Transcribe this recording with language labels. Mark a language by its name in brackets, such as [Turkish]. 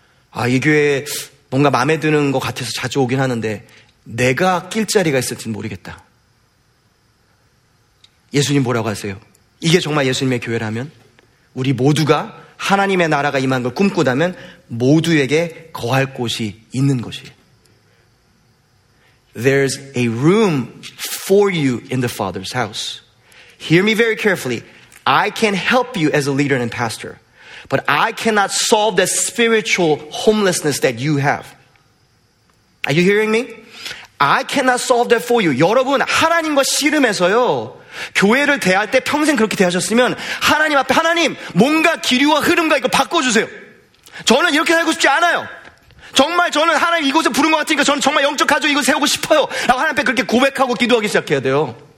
[Korean] 아, 이 교회에 뭔가 마음에 드는 것 같아서 자주 오긴 하는데 내가 낄 자리가 있을지는 모르겠다. 예수님 뭐라고 하세요? 이게 정말 예수님의 교회라면 우리 모두가 하나님의 나라가 임한 걸 꿈꾸다면 모두에게 거할 곳이 있는 것이에요. [English] There's a room for you in the Father's house. Hear me very carefully. I can help you as a leader and pastor, but I cannot solve the spiritual homelessness that you have. Are you hearing me? I cannot solve that for you. [Korean] 여러분, 하나님과 씨름해서요. 교회를 대할 때 평생 그렇게 대하셨으면 하나님 앞에 하나님 뭔가 기류와 흐름과 이거 바꿔주세요. 저는 이렇게 살고 싶지 않아요. 정말 저는 하나님 이곳에 부른 것 같으니까 저는 정말 영적 가족 이곳 세우고 싶어요 라고 하나님 앞에 그렇게 고백하고 기도하기 시작해야 돼요.